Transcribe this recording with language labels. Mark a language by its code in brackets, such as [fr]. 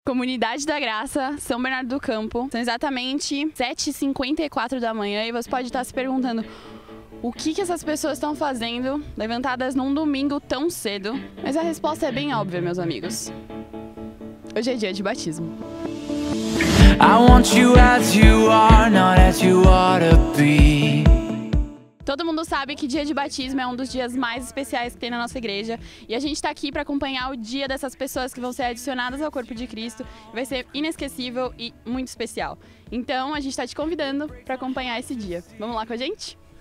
[pt] Comunidade da Graça, São Bernardo do Campo. São exatamente 7h54 da manhã e você pode estar se perguntando o que que essas pessoas estão fazendo levantadas num domingo tão cedo. Mas a resposta é bem óbvia, meus amigos. Hoje é dia de batismo. [en] I want you as you are, not as you ought to be. [pt] Todo mundo sabe que dia de batismo é um dos dias mais especiais que tem na nossa igreja. E a gente tá aqui pra acompanhar o dia dessas pessoas que vão ser adicionadas ao corpo de Cristo. Vai ser inesquecível e muito especial. Então a gente tá te convidando pra acompanhar esse dia. Vamos lá com a gente?